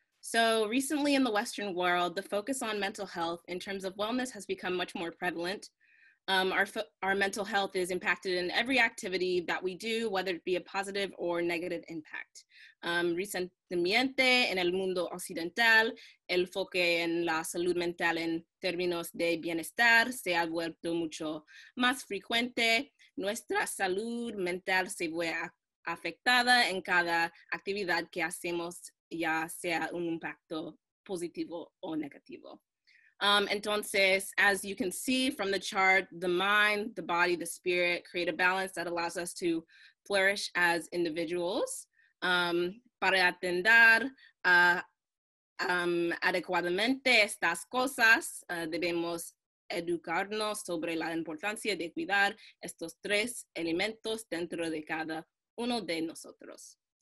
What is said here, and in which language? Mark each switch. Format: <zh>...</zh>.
<en>So recently in the Western world, the focus on mental health in terms of wellness has become much more prevalent. Our mental health is impacted in every activity that we do, whether it be a positive or negative impact.</en> <es>Recientemente, en el mundo occidental, el enfoque en la salud mental en términos de bienestar se ha vuelto mucho más frecuente. Nuestra salud mental se ve afectada en cada actividad que hacemos, ya sea un impacto positivo o negativo.</es> <en>Entonces, as you can see from the chart, the mind, the body, the spirit create a balance that allows us to flourish as individuals.</en> <es>Para atender adecuadamente estas cosas, debemos educarnos sobre la importancia de cuidar estos tres elementos dentro de cada uno de nosotros.</es>